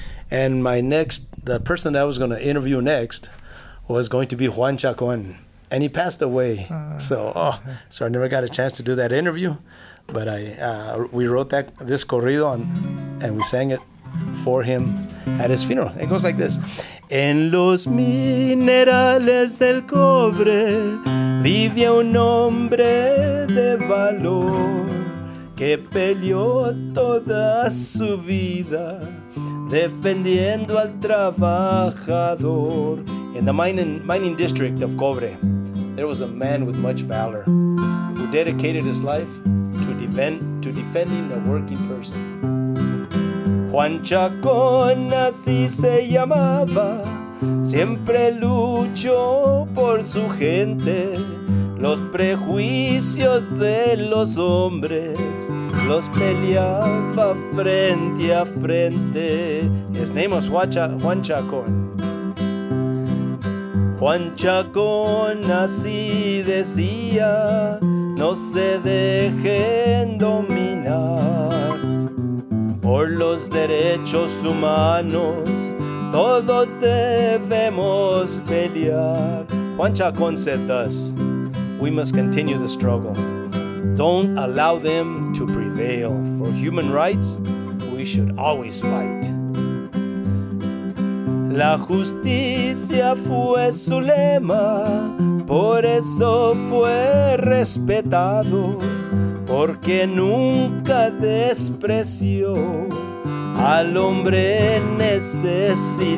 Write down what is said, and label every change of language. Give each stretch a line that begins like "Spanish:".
English: And the person that I was going to interview next was going to be Juan Chacon, and he passed away. So I never got a chance to do that interview, but we wrote this corrido and we sang it for him at his funeral. It goes like this.
Spanish: En los minerales del cobre vivía un hombre de valor que peleó toda su vida defendiendo al trabajador.
English: In the mining district of Cobre, there was a man with much valor who dedicated his life to defending the working person.
Spanish: Juan Chacón, así se llamaba, siempre luchó por su gente. Los prejuicios de los hombres los peleaba frente a frente.
English: His name was Juan Chacón.
Spanish: Juan Chacón así decía, no se dejen dominar por los derechos humanos, todos debemos pelear.
English: Juan Chacón said thus, we must continue the struggle. Don't allow them to prevail. For human rights, we should always fight.
Spanish: La justicia fue su lema, por eso fue respetado, porque nunca despreció al hombre necesitado.